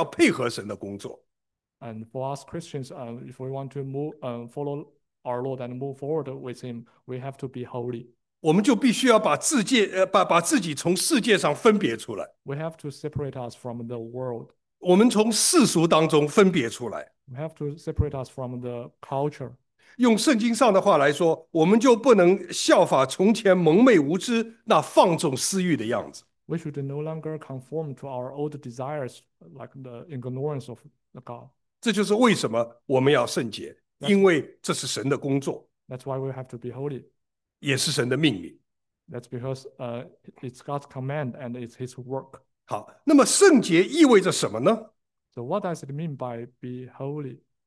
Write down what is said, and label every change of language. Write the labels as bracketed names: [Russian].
[Chinese] 而我们这些蒙到神的呼召的人，要我们要跟随神，要与神同去，就必须要配合神的工作。 [English] And for us Christians, if we want to move, follow our Lord and move forward with Him, we have to be holy. [Chinese] 我们就必须要把自己从世界上分别出来。 [English] We have to separate us from the world. [Chinese] 我们从世俗当中分别出来。 [English] We have to separate us from the culture. [Chinese] 用圣经上的话来说，我们就不能效法从前蒙昧无知那放纵私欲的样子。 [English] We should no longer conform to our old desires, like the ignorance of the God. [Chinese] 这就是为什么我们要圣洁，因为这是神的工作， [English] that's why we have to be holy. [Chinese] 也是神的命令。 [English] That's because it's God's command and it's His work. [Chinese] 好，那么圣洁意味着什么呢？ [English] So what does it mean by be holy?